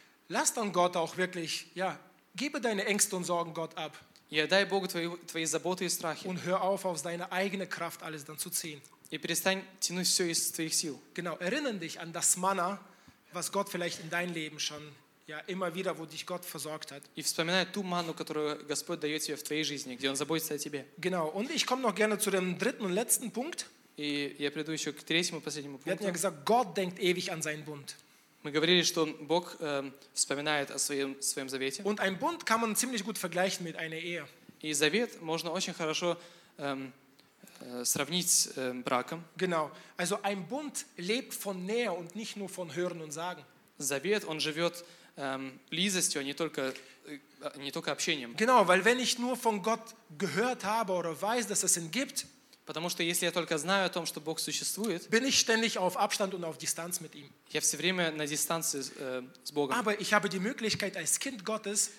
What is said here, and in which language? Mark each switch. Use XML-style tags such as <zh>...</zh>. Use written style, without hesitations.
<de>Lass dann Gott auch wirklich, ja, gebe deine Ängste und Sorgen Gott ab.</de> <ru>Ja, дай Богу твои заботы и страхи.</ru> <de>Und hör auf deine eigene Kraft alles dann zu ziehen.</de> <ru>И перестань тянуть все из твоих сил.</ru> <de>Genau. Erinnere dich an das Manna, was Gott vielleicht in dein Leben schon, ja, immer wieder, wo dich Gott versorgt hat.</de> <ru>И вспоминай ту манну, которую Господь дает тебе в твоей жизни, где Он заботится о тебе.</ru> <de>Genau. Und ich komme noch gerne zu dem dritten und letzten Punkt.</de> <ru>И я приду еще к третьему последнему пункту.</ru> <de>Wir hatten ja gesagt, Gott denkt ewig an seinen Bund.</de> <ru>Мы говорили, что Бог вспоминает о своем завете.</ru> <de>Und ein Bund kann man ziemlich gut vergleichen mit einer Ehe.</de> <ru>И завет можно очень хорошо сравнить с браком.</ru> <de>Genau. Also ein Bund lebt von Nähe und nicht nur von Hören und Sagen.</de> <ru>Завет, он живет близостью, а не только общением.</ru> <de>Genau, weil wenn ich nur von Gott gehört habe oder weiß, dass es ihn gibt,</de> <ru>потому что если я только знаю о том, что Бог существует,</ru> <de>bin ich ständig auf Abstand und auf Distanz mit ihm.</de> <ru>Я все время на дистанции с Богом.</ru> <de>Aber ich habe die Möglichkeit als Kind Gottes,</de>